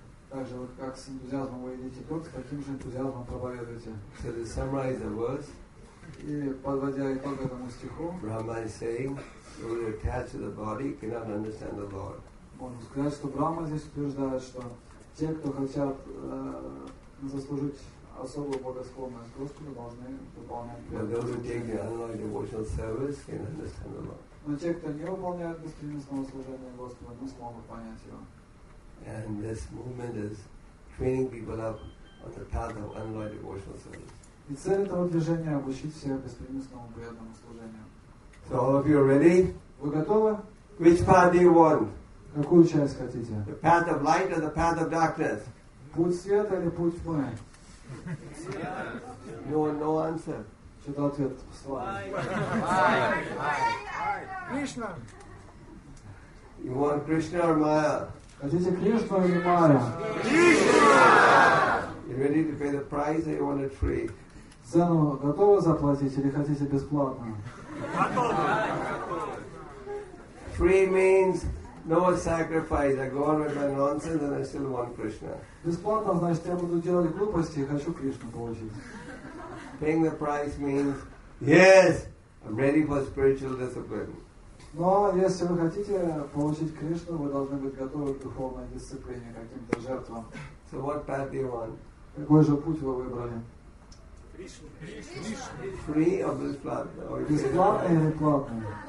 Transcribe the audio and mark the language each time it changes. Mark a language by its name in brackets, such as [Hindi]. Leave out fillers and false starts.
[Russian] Также вот как с энтузиазмом вы едите торт, с каким же энтузиазмом проповедуете. [English] So to summarize the verse. [Russian] И подводя итог этому стиху. [English] Brahma is saying, who is attached to the body cannot understand the Lord. [Russian] Можно сказать, что Брахма здесь утверждает, что те, кто хотят заслужить особую благосклонность Господа, должны выполнять. [English] But those who take the unlimited devotional service can understand the Lord. [Russian] Но те, кто не выполняют беспримесного служения Господа, не смогут понять его. [English] And this movement is training people up on the path of unlimited devotional service. [Russian] И цель этого движения обучить всех беспримесному преданному служению. [English] So all of you are ready? [Russian] Вы готовы? [English] Which path do you want? [Russian] Какую часть хотите? [English] The path of light or the path of darkness? [Russian] Путь света или путь тьмы? [English] No answer. [Russian] Что-то ответ послали. Кришна. [English] You want Krishna or Maya? [Russian] Хотите Кришну или Майя? Кришна! [English] You ready to pay the price or you want it free? [Russian] Цену готовы заплатить или хотите бесплатно? [English] Free means no sacrifice. I go on with my nonsense and I still want Krishna. [Russian] Бесплатно значит я буду делать глупости и хочу Кришну получить. [English] Paying the price means yes, I'm ready for spiritual discipline. [Russian] Но если вы хотите получить Кришну, вы должны быть готовы к духовной дисциплине, к каким-то жертвам. [English] So what path do you want? [Russian] Какой же путь вы выбрали? [English] Free or bisplatna? [Russian] Bisplatna или платна?